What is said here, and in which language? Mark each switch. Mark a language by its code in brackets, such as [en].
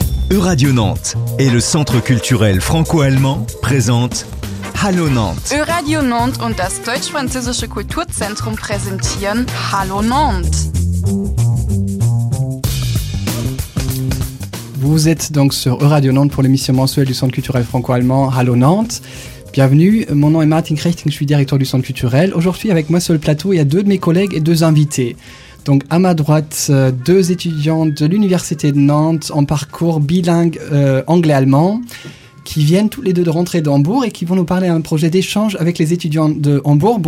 [fr] Euradio Nantes et le Centre culturel franco-allemand présentent Hallo Nantes. [de] Euradio Nantes und das deutsch-französische Kulturzentrum präsentieren Hallo Nantes. [fr] Vous êtes donc sur Euradio Nantes pour l'émission mensuelle du Centre culturel franco-allemand Hallo Nantes. Bienvenue, mon nom est Martin Krechting, je suis directeur du Centre culturel. Aujourd'hui, avec moi sur le plateau, il y a deux de mes collègues et deux invités. Donc à ma droite, deux étudiantes de l'Université de Nantes en parcours bilingue anglais-allemand qui viennent tous les deux de rentrer d'Hambourg et qui vont nous parler d'un projet d'échange avec les étudiants de Hambourg.